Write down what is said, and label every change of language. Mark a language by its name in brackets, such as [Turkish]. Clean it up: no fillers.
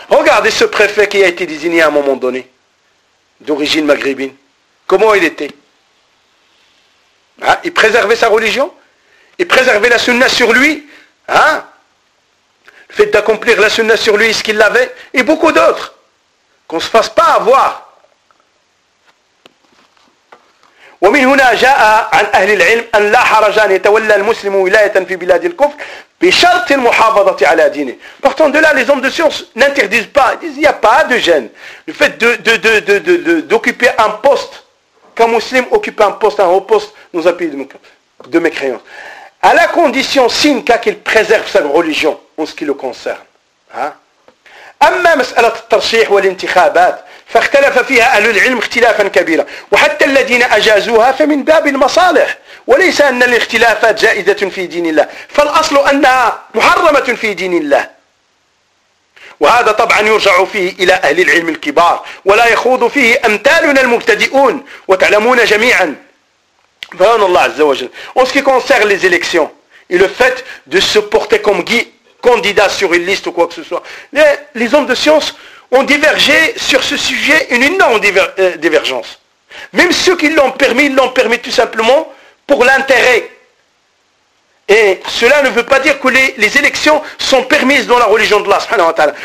[French] Regardez ce préfet qui a été désigné à un moment donné, d'origine maghrébine. Comment il était? Hein? Il préservait sa religion? Il préservait la sunna sur lui? Hein? Le fait d'accomplir la sunna sur lui, ce qu'il l'avait? Et beaucoup d'autres. Qu'on ne se fasse pas avoir. [Arabic] ومن هنا جاء عن أهل العلم أن لا حرج أن يتولى المسلم ولاية في بلاد الكفر بشرط المحافظة على دينه. [French] Pourtant de là, les hommes de science n'interdisent pas. Ils disent, il n'y a pas de gêne. Le fait d'occuper un poste, qu'un musulman occupe un poste, un haut poste, dans un pays de mécréance. À la condition, sine qu'à qu'il préserve sa religion en ce qui le concerne. [Arabic] أما مسألة الترشيح والانتخابات فاختلف فيها أهل العلم اختلافا كبيرا وحتى الذين أجازوها فمن باب المصالح وليس أن الاختلافات جائزة في دين الله فالأصل أنها محرمة في دين الله وهذا طبعا يرجع فيه إلى أهل العلم الكبار ولا يخوض فيه أمثالنا المبتدئون وتعلمون جميعا فهون الله عز وجل [French] en ce qui concerne les élections et le fait de se porter comme guide candidats sur une liste ou quoi que ce soit. Les hommes de science ont divergé sur ce sujet une énorme divergence. Même ceux qui l'ont permis tout simplement pour l'intérêt. Et cela ne veut pas dire que les élections sont permises dans la religion d'Allah, subhanahu wa ta'ala.